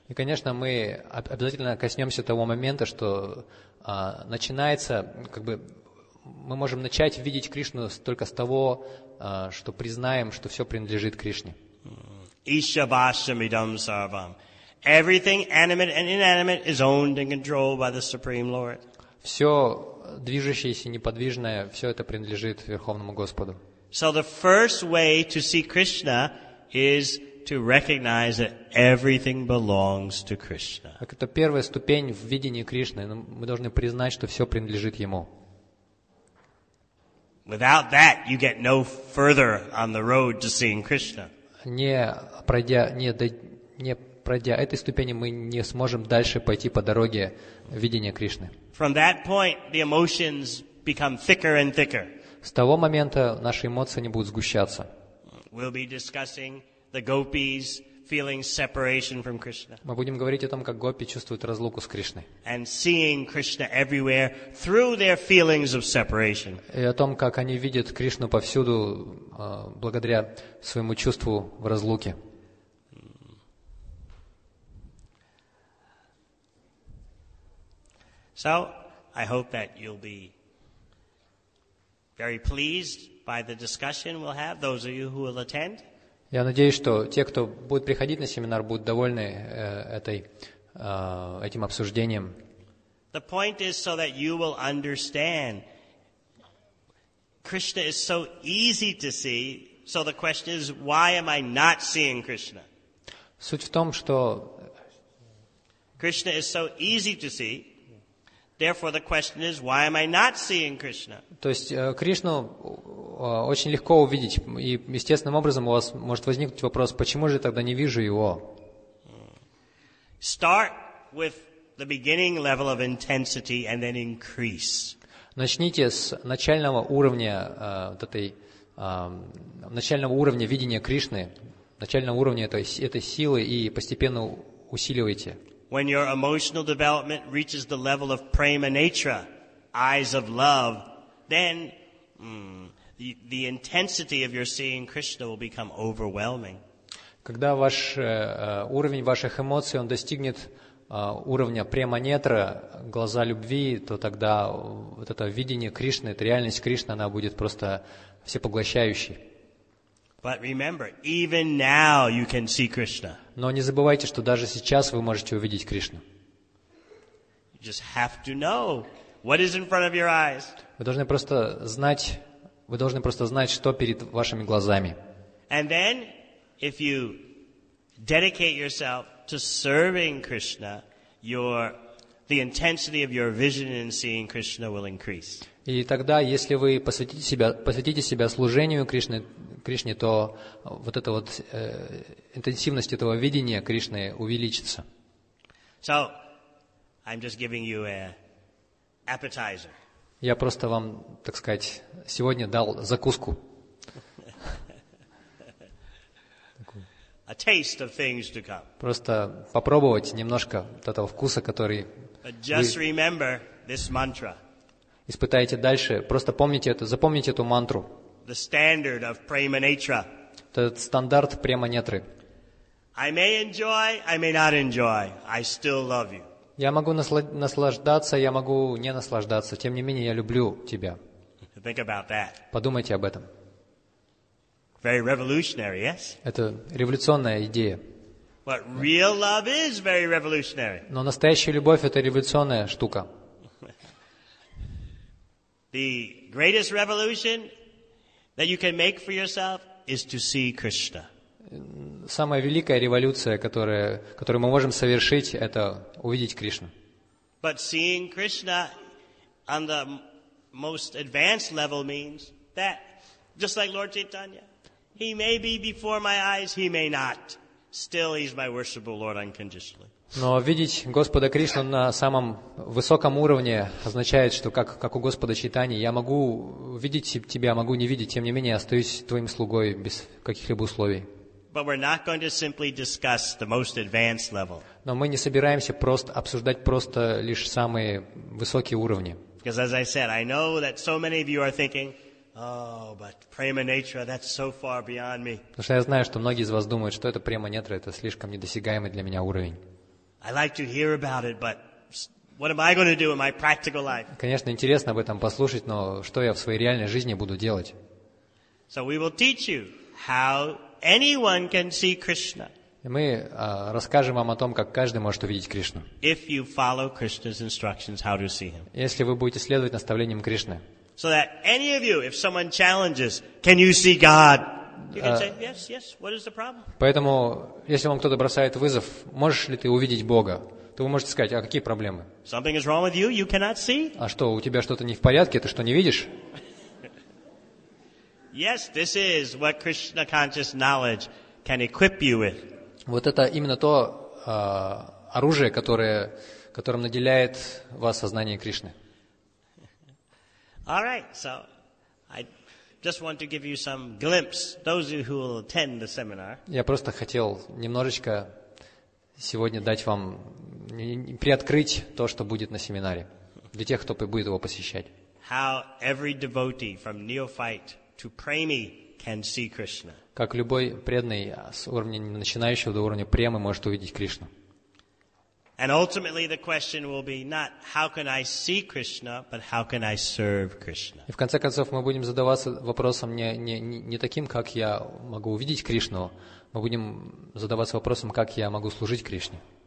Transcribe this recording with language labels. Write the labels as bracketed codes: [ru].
[ru] И, конечно, мы обязательно коснемся того момента, что начинается, как бы, мы можем начать видеть Кришну только с того, что признаем, что все принадлежит Кришне. [sa] Isha Vasham Idam Sarvam. [en] Everything animate and inanimate is owned and controlled by the Supreme Lord. [ru] Все движущееся и неподвижное, все это принадлежит Верховному Господу. [en] So the first way to see Krishna is to recognize that everything belongs to Krishna. [ru] Так это первая ступень в видении Кришны. Мы должны признать, что все принадлежит Ему. [en] Without that, you get no further on the road to seeing Krishna. [ru] Не пройдя этой ступени, мы не сможем дальше пойти по дороге видения Кришны. [en] From that point, the emotions become thicker and thicker. [ru] С того момента наши эмоции не будут сгущаться. [en] We'll be discussing the gopis feeling separation from Krishna. [ru] Мы будем говорить о том, как гопи чувствуют разлуку с Кришной. [en] And seeing Krishna everywhere through their feelings of separation. [ru] И о том, как они видят Кришну повсюду благодаря своему чувству в разлуке. [en] So, I hope that you'll be very pleased by the discussion we'll have, those of you who will attend. [ru] Я надеюсь, что те, кто будет приходить на семинар, будут довольны этим обсуждением. [en] The point is so that you will understand. Krishna is so easy to see, so the question is, why am I not seeing Krishna? [ru] Суть в том, что [en] Krishna is so easy to see, therefore the question is, why am I not seeing Krishna? [ru] То есть Кришну очень легко увидеть, и естественным образом у вас может возникнуть вопрос, почему же я тогда не вижу Его? [en] Start with the beginning level of intensity and then increase. [ru] Начните с начального уровня начального уровня видения Кришны, начального уровня этой силы, и постепенно усиливайте. [en] When your emotional development reaches the level of prema-netra, eyes of love, then the intensity of your seeing Krishna will become overwhelming. [ru] Когда ваш уровень ваших эмоций он достигнет уровня према-нетра, глаза любви, то тогда вот это видение Кришны, эта реальность Кришны, она будет просто всепоглощающей. [en] But remember, even now you can see Krishna. [ru] Но не забывайте, что даже сейчас вы можете увидеть Кришну. [en] You just have to know what is in front of your eyes. [ru] Вы должны просто знать, что перед вашими глазами. [en] And then, if you dedicate yourself to serving Krishna, the intensity of your vision in seeing Krishna will increase. [ru] И тогда, если вы посвятите себя служению Кришне, то вот эта вот интенсивность этого видения Кришны увеличится. [en] So, I'm just giving you an appetizer. [ru] Я просто вам, так сказать, сегодня дал закуску. [en] A taste of things to come. [ru] Просто попробовать немножко этого вкуса, который... [en] But just remember this mantra. [ru] Испытайте дальше. Просто помните это, запомните эту мантру. [en] The standard of prema-netra. [ru] Этот стандарт према-нетры. [en] I may enjoy, I may not enjoy. I still love you. [ru] Я могу наслаждаться, я могу не наслаждаться. Тем не менее, я люблю тебя. [en] Think about that. [ru] Подумайте об этом. [en] Very revolutionary, yes? [ru] Это революционная идея. [en] But real love is very revolutionary. [ru] Но настоящая любовь — это революционная штука. [en] The greatest revolution that you can make for yourself is to see Krishna. [ru] Самая великая революция, которую мы можем совершить, это увидеть Кришну. [en] But seeing Krishna on the most advanced level means that, just like Lord Chaitanya, he may be before my eyes, he may not. Still, he's my worshipable Lord unconditionally. [ru] Но видеть Господа Кришну на самом высоком уровне означает, что как у Господа Чайтани, я могу видеть тебя, могу не видеть, тем не менее, я остаюсь твоим слугой без каких-либо условий. [en] But we're not going to simply discuss the most advanced level. [ru] Но мы не собираемся просто обсуждать просто лишь самые высокие уровни. [en] Because as I said, I know that so many of you are thinking, "Oh, but prema netra, that's so far beyond me." [ru] Потому что я знаю, что многие из вас думают, что это према нетра, это слишком недосягаемый для меня уровень. [en] I like to hear about it, but what am I going to do in my practical life? [ru] Конечно, интересно об этом послушать, но что я в своей реальной жизни буду делать? [en] So we will teach you how anyone can see Krishna. [ru] Мы расскажем вам о том, как каждый может увидеть Кришну. [en] If you follow Krishna's instructions, how to see him. [ru] Если вы будете следовать наставлениям Кришны. [en] So that any of you, if someone challenges, can you see God? You can say yes, yes. What is the problem? [ru] Поэтому, если вам кто-то бросает вызов, можешь ли ты увидеть Бога? То вы можете сказать, а какие проблемы? [en] Something is wrong with you. You cannot see. [ru] А что, у тебя что-то не в порядке? Ты что, не видишь? [en] Yes, this is what Krishna conscious knowledge can equip you with. [ru] Вот это именно то оружие, которым наделяет вас сознание Кришны. [en] All right, so I just want to give you some glimpse, those of you who will attend the seminar. [ru] Я просто хотел немножечко сегодня дать вам приоткрыть то, что будет на семинаре для тех, кто будет его посещать. [en] How every devotee from neophyte to premi can see Krishna. [ru] Как любой преданный с уровня начинающего до уровня премы может увидеть Кришну. [en] And ultimately the question will be not how can I see Krishna, but how can I serve Krishna. [ru] И в конце концов мы будем задаваться вопросом не таким, как я могу увидеть Кришну, мы будем задаваться вопросом, как я могу служить Кришне.